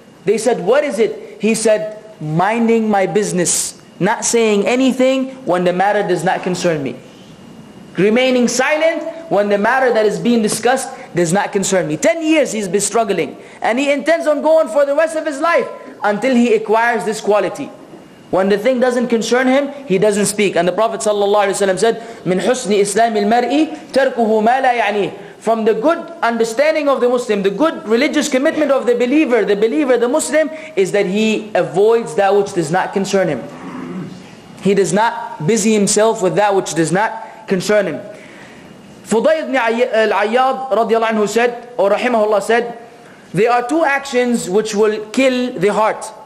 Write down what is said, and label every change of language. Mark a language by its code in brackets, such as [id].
[en] They said, what is it? He said, minding my business, not saying anything when the matter does not concern me. Remaining silent when the matter that is being discussed does not concern me. 10 years he's been struggling and he intends on going for the rest of his life until he acquires this quality. When the thing doesn't concern him, he doesn't speak. And the Prophet ﷺ said, [ar] مِنْ حُسْنِ إِسْلَامِ الْمَرْءِ تَرْكُهُ مَا لَا يَعْنِيهِ. [en] From the good understanding of the Muslim, the good religious commitment of the believer, the Muslim, is that he avoids that which does not concern him. He does not busy himself with that which does not concern him. Fudayl ibn al-Ayyad radiallahu anhu said, or rahimahullah said, there are two actions which will kill the heart.